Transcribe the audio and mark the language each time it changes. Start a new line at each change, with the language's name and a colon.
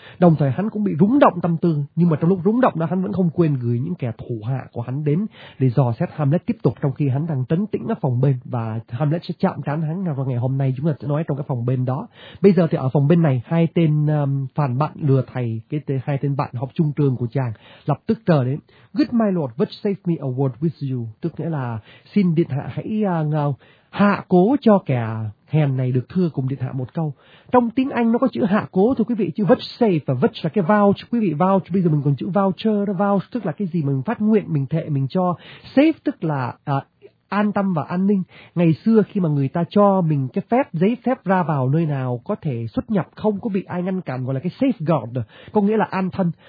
Vietnamese: Đồng thời hắn cũng bị rúng động tâm tư, nhưng mà trong lúc rúng động đó hắn vẫn không quên gửi những kẻ thủ hạ của hắn đến để dò xét Hamlet tiếp tục, trong khi hắn đang trấn tĩnh ở phòng bên, và Hamlet sẽ chạm trán hắn vào ngày hôm nay, chúng ta sẽ nói trong cái phòng bên đó. Bây giờ thì ở phòng bên này, hai tên phản bạn lừa thầy, hai tên bạn học chung trường của chàng lập tức chờ đến.
English: Good my lord, but save me a word with you.
Vietnamese: Tức nghĩa là xin điện hạ hãy hạ cố cho kẻ hèn này được thưa cùng điện hạ một câu. Trong tiếng Anh nó có chữ hạ cố thưa quý vị, chữ vouchsafe và vouch là cái vouch, quý vị vouch, bây giờ mình còn chữ voucher, đó vouch tức là cái gì mà mình phát nguyện, mình thệ, mình cho. Safe tức là an tâm và an ninh. Ngày xưa khi mà người ta cho mình cái phép, giấy phép ra vào nơi nào có thể xuất nhập không có bị ai ngăn cản, gọi là cái safeguard, có nghĩa là an thân.